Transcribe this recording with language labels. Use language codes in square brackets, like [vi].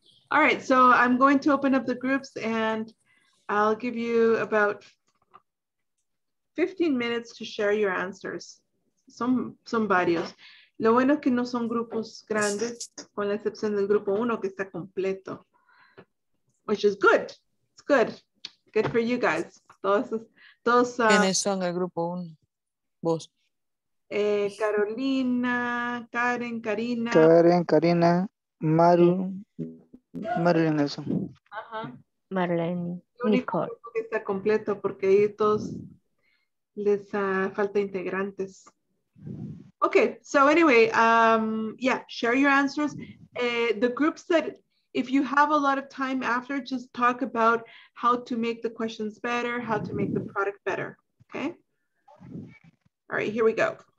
[en] All right, so I'm going to open up the groups and I'll give you about 15 minutes to share your answers. Some varios. [es] Lo bueno es que no son grupos grandes, con la excepción del grupo 1 que está completo. [en] Which is good. It's good. Good for you guys. Todos [es] ¿quiénes son el grupo 1? Vos. Carolina, Karen, Karina. Karen, Karina, Maru, Marilyn Nelson. Ajá. Marlene. Nicole. Que está completo porque ahí todos les falta integrantes. [en] Okay, so anyway, yeah, share your answers. The groups that, if you have a lot of time after, just talk about how to make the questions better, how to make the product better, okay? All right, here we go.